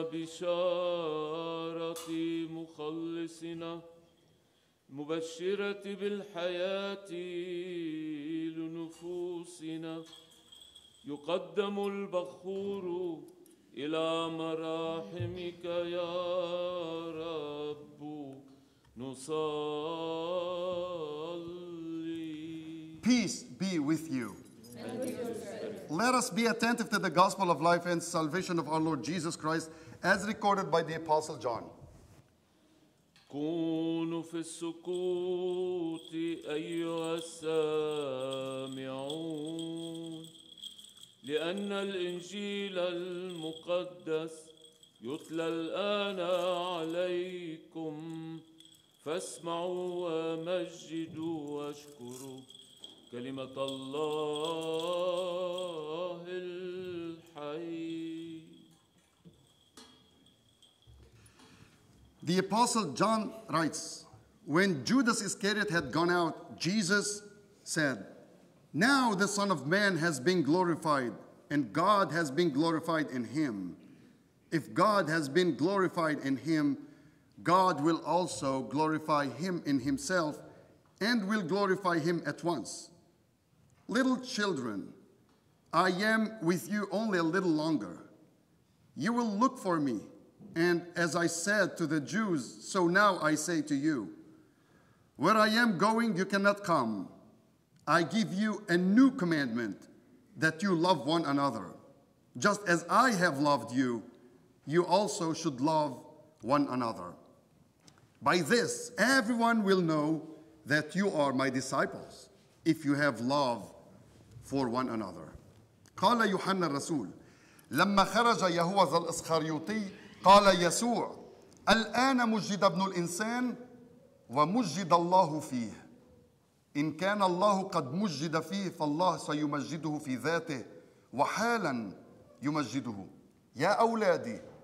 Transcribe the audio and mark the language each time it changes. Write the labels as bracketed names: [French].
[Arabic] بشارة مخلصنا مبشرة بالحياة لنفوسنا يقدم البخور إلى مراحمك يا رب نصلي. [English] Peace be with you. Let us be attentive to the gospel of life and salvation of our Lord Jesus Christ as recorded by the Apostle John. [Arabic] كونوا في السكوت أيها السامعون لأن الإنجيل المقدس يتلى الآن عليكم فاسمعوا ومجدوا واشكروا كلمة الله الحي. [English] The Apostle John writes, when Judas Iscariot had gone out, Jesus said, now the Son of Man has been glorified, and God has been glorified in him. If God has been glorified in him, God will also glorify him in himself, and will glorify him at once. Little children, I am with you only a little longer. You will look for me. And as I said to the Jews, so now I say to you, where I am going, you cannot come. I give you a new commandment, that you love one another. Just as I have loved you, you also should love one another. By this, everyone will know that you are my disciples, if you have love for one another. [Arabic] قال يوحنا الرسول لما خرج يهوذا الإسخريوطي قال يسوع الآن مجد ابن الإنسان ومجد الله فيه إن كان الله قد مجد فيه فالله سيمجده في ذاته وحالا يمجده يا أولادي